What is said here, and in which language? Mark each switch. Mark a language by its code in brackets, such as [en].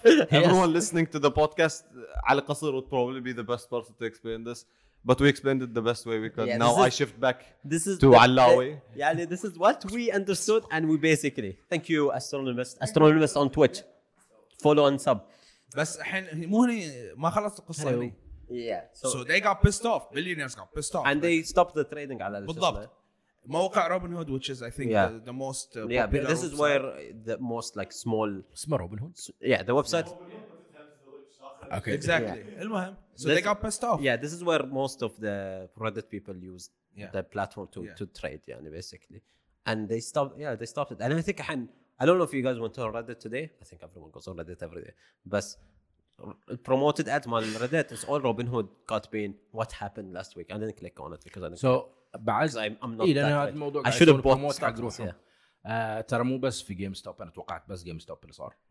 [en] Everyone listening to the podcast, Ali Qasir would probably be the best person to explain this. But we explained it the best way we could. Yeah, now I shift back this is to Alawi. Yeah, this is what we understood, and we basically thank you, Astronomist on Twitch, follow and sub. [ar] بس الحين مو هني ما خلصت القصة لي. [en] Yeah. So they got pissed off. Billionaires got pissed off. And they stopped the trading [ar] على. بالضبط. موقع [en] Robinhood, which is I think the most popular. Yeah, but this is where the most like small. [ar] اسمه Robinhood. [en] Yeah, the website. Okay. Exactly. [ar] المهم. [en] So they got pissed off. Yeah, this is where most of the Reddit people use yeah. the platform to trade, yani basically. And they stopped it. And I think I don't know if you guys went on Reddit today. I think everyone goes on Reddit every day. But promoted ad on Reddit is all Robinhood got been what happened last week. I didn't click on it because I didn't I should have bought stocks. [ar] ترى مو بس في GameStop انا توقعت بس GameStop اللي صار.